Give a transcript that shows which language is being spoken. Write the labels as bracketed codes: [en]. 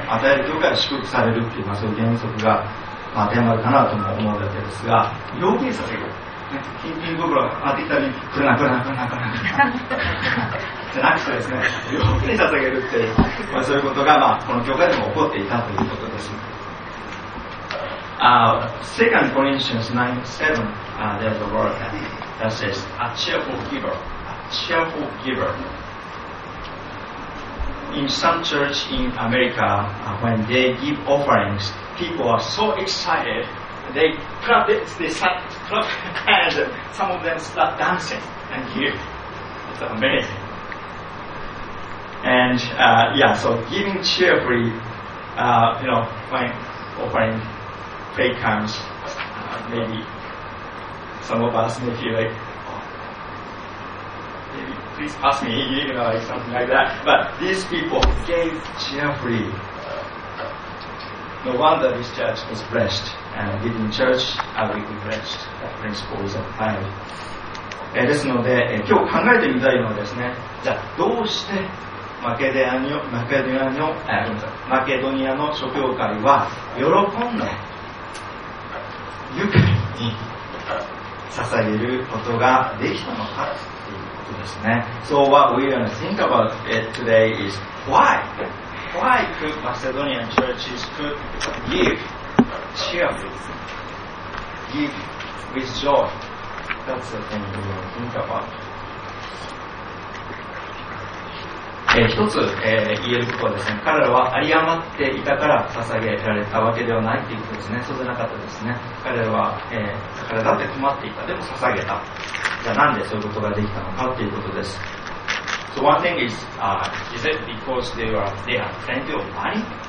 [ja] 与える教会が祝福されるという、まあ、そういう原則が当てはまるかなとも思うわけですが、陽気に捧げる。金品袋が当てきたり、くるなじゃなくてですね、陽気に捧げるっていう、まあ、そういうことが、まあ、この教会でも起こっていたということです。 [en] 2 Corinthians 9:7, there's a word that says, a cheerful giver. A cheerful giver. In some church in America, when they give offerings, people are so excited, they clap, they start to clap hands, and some of them start dancing and give. It's amazing. And yeah, so giving cheerfully, you know, when offering prayer comes, maybe some of us may feel like, please pass me, you know, like something like that. But these people gave cheerfully. No wonder this church was blessed, and within church, we were blessed. That principle is applied. [ja] ですので、今日考えてみたいのはですね、じゃあどうしてマケドニアの諸教会は喜んで、愉快に捧げることができたのか。 [en] So what we are going to think about it today is why could Macedonian churches could give cheerfully, give with joy? That's the thing we are going to think about. [ja] 一つ、言えることはですね、彼らは有り余っていたから捧げられたわけではないということですね。そうじゃなかったですね。彼らは、彼だって困っていた、でも捧げた。じゃあなんでそういうことができたのかということです。 [en] So one thing is, is it because they have plenty of money?